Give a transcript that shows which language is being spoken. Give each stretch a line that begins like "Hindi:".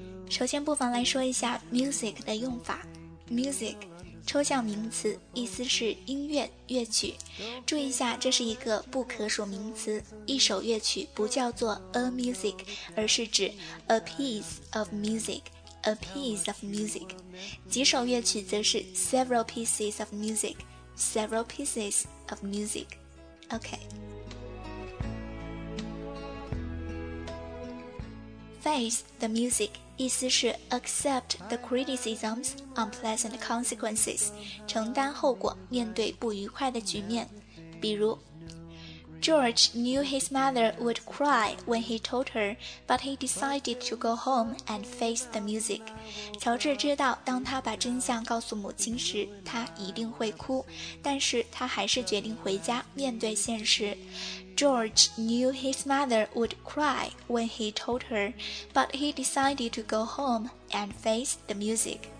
Chinese: 首先不妨来说一下 music 的用法。music 抽象名词，意思是音乐、乐曲。注意一下，这是一个不可数名词，一首乐曲不叫做
English: a music，
Chinese: 而是指
English: a piece of music，
Chinese: a piece of music。几首乐曲则是
English: several pieces of music，
Chinese: several pieces of music。 OK，
English: Face the music，
Chinese: 意思是
English: accept the criticisms, unpleasant consequences，
Chinese: 承担后果，面对不愉快的局面。
English: 比如 George knew his mother would cry when he told her, but he decided to go home and face the music。
Chinese: 乔治知道当他把真相告诉母亲时，他一定会哭，但是他还是决定回家面对现实。
English: George knew his mother would cry when he told her, but he decided to go home and face the music.